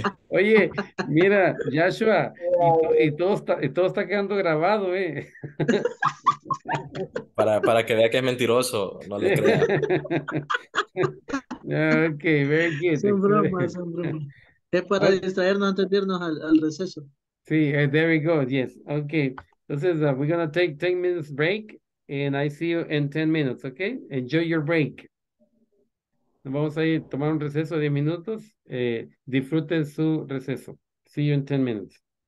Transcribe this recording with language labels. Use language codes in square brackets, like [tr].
[es] Oye, mira, Joshua, y todo está quedando grabado, ¿eh? Para que vea que es mentiroso, no le crea. Ok, ve aquí. Son bromas, son bromas. Es para distraernos antes de irnos al receso. [en] Sí, there we go, yes. Ok, entonces we're going to take 10 minutes break, and I see you in 10 minutes, ok? Enjoy your break. [es] Vamos a ir a tomar un receso de 10 minutos. Disfruten su receso. [en] See you in 10 minutes.